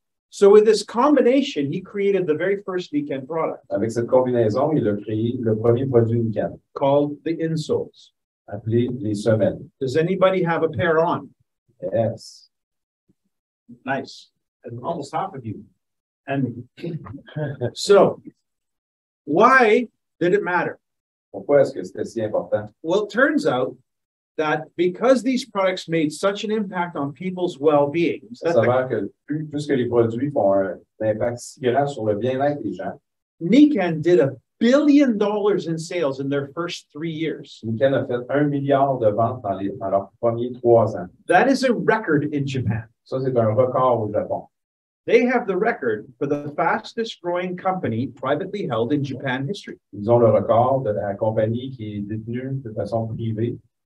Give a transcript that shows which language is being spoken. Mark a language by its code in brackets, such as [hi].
[en] So with this combination, he created the very first knee can product. [fr] Avec cette combinaison, il a créé le premier produit knee can. [en] Called the insoles. [fr] Appelé les semelles. [en] Does anybody have a pair on? Yes. Nice. And almost half of you. And so, why did it matter? [fr] Pourquoi est-ce que c'était si important? [en] Well, it turns out that because these products made such an impact on people's well-being, Nikan did $1 billion in sales in their first 3 years. [fr] Nikan a fait 1 milliard de ventes dans les, dans leurs premiers 3 ans. [en] That is a record in Japan. [fr] Ça, c'est un record au Japon. [en] They have the record for the fastest growing company privately held in Japan history. [fr] Ils ont le record de la compagnie qui est détenue de façon privée.